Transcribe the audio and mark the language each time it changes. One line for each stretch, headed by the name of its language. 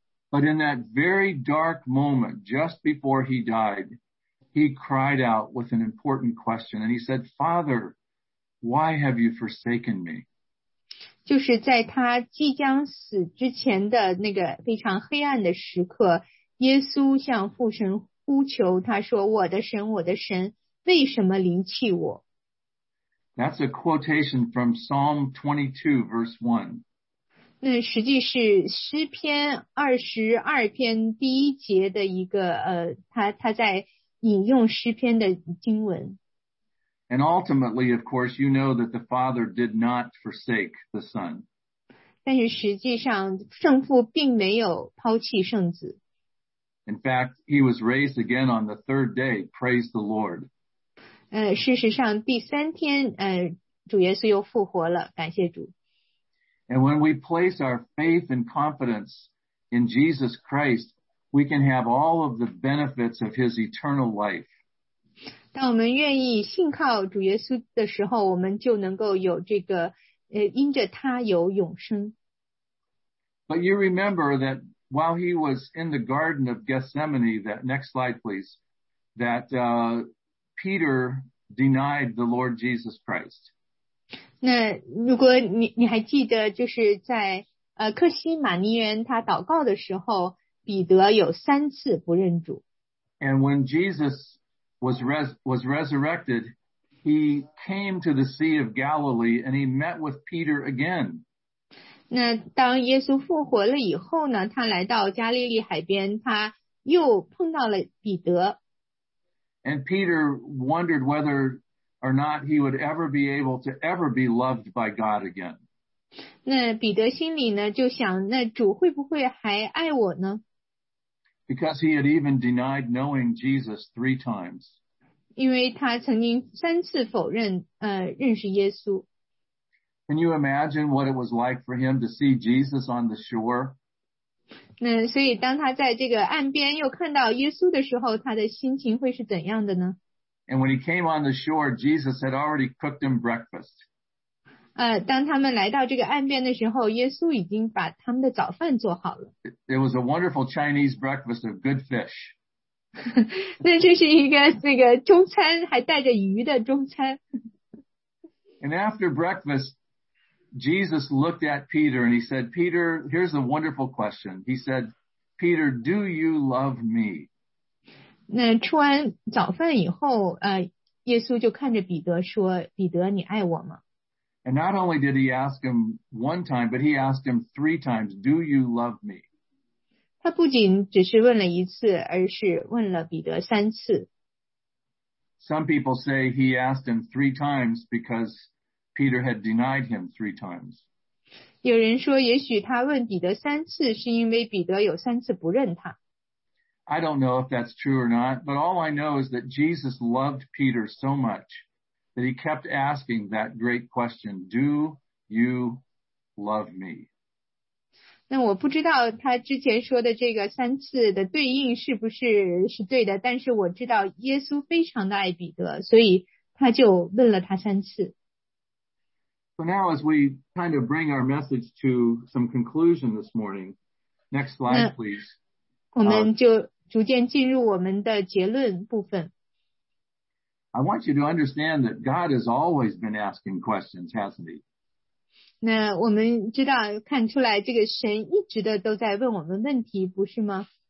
English: But in that very dark moment, just before he died, he cried out with an important question, and he said, "Father, why have you forsaken me?"
Chinese: 就是在他即将死之前的那个非常黑暗的时刻，耶稣向父神呼求，他说：“我的神，我的神，为什么离弃我？”
English: That's a quotation from Psalm 22, verse 1.
Chinese: 那实际是诗篇22篇第一节的一个他在引用诗篇的经文。
English: And ultimately, of course, you know that the Father did not forsake the Son.
Chinese: 但是实际上圣父并没有抛弃圣子。
English: In fact, he was raised again on the third day, praise the Lord.
Chinese: 事实上第三天主耶稣又复活了，感谢主。
English: And when we place our faith and confidence in Jesus Christ, we can have all of the benefits of his eternal life.
Chinese: 当我们愿意信靠主耶稣的时候，我们就能够有这个因着他有永生。
English: But you remember that while he was in the Garden of Gethsemane, that next slide please, that Peter denied the Lord Jesus Christ.
Chinese: 那如果你还记得，就是在克西马尼园他祷告的时候，彼得有三次不认主。
English: And when Jesus was resurrected, he came to the Sea of Galilee and he met with Peter again.
Chinese: 那当耶稣复活了以后呢，他来到加利利海边，他又碰到了彼得。
English: And Peter wondered whether or not he would ever be able to ever be loved by God again.
Chinese: 那彼得心里呢，就想，那主会不会还爱我呢？
English: Because he had even denied knowing Jesus three times.
Chinese: 因为他曾经三次否认，认识耶稣。
English: Can you imagine what it was like for him to see Jesus on the shore?
Chinese: 那所以当他在这个岸边又看到耶稣的时候，他的心情会是怎样的呢？
English: And when he came on the shore, Jesus had already cooked him breakfast.
Chinese: 当他们来到这个岸边的时候，耶稣已经把他们的早饭做好了。
English: It was a wonderful Chinese breakfast of good fish.
Chinese: 那这是一个那个中餐，还带着鱼的中餐。
English: And after breakfast,Jesus looked at Peter and he said, Peter, here's a wonderful question. He said, Peter, do you love me?
Chinese: 那吃完早饭以后，耶稣就看着彼得说，彼得，你爱我吗？
English: And not only did he ask him one time, but he asked him three times, do you love me?
Chinese: 他不仅只是问了一次，而是问了彼得三次。
English: Some people say he asked him three times becausePeter had denied him three times.
Chinese: 有人说也许他问彼得三次是因为彼得有三次不认他。
English: I don't know if that's true or not, but all I know is that Jesus loved Peter so much that he kept asking that great question, do you love me?
Chinese: 那我不知道他之前说的这个三次的对应是不是是对的，但是我知道耶稣非常的爱彼得，所以他就问了他三次。
English: So now as we kind of bring our message to some conclusion this morning, next slide please.
Chinese: 我们就逐渐进入我们的结论部分。
English: I want you to understand that God has always been asking questions, hasn't he?
Chinese: 那我们知道看出来这个神一直的都在问我们问题，不是吗？